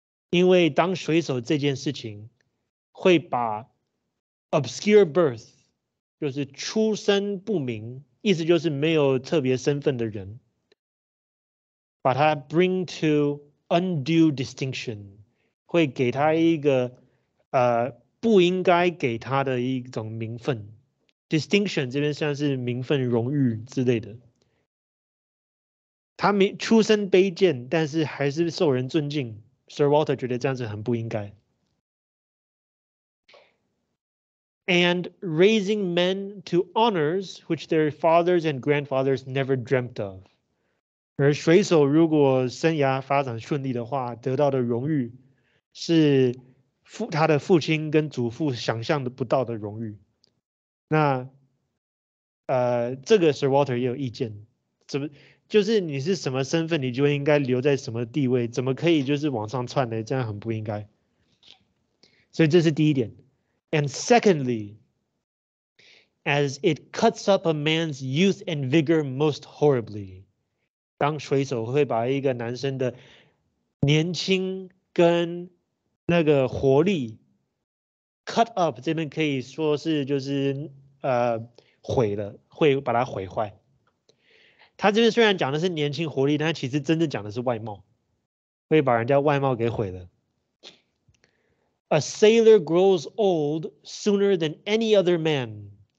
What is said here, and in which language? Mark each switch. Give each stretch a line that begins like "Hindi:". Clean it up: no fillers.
Chinese: 因为当水手这件事情会把
English: obscure birth,
Chinese: 就是出身不明，意思就是没有特别身份的人，把他
English: bring to undue distinction,
Chinese: 会给他一个不应该给他的一种名分。 Distinction 这边像是名分、荣誉之类的。他出身卑贱，但是还是受人尊敬。 Sir Walter 觉得这样子很不应该。
English: And raising men to honors which their fathers and grandfathers never dreamt of.
Chinese: 而水手如果生涯发展顺利的话，得到的荣誉是他的父亲跟祖父想象不到的荣誉。那这个 Sir Walter 也有意见，怎么就是你是什么身份你就应该留在什么地位，怎么可以就是往上窜呢？这样很不应该。所以这是第一点。
English: And secondly, as it cuts up a man's youth and vigor most horribly,
Chinese: 当水手会把一个男生的年轻跟那个活力
English: cut up,
Chinese: 这边可以说是就是毁了，会把它毁坏。他这边虽然讲的是年轻活力，但其实真正讲的是外貌，会把人家外貌给毁了。
English: A sailor grows old sooner than any other man.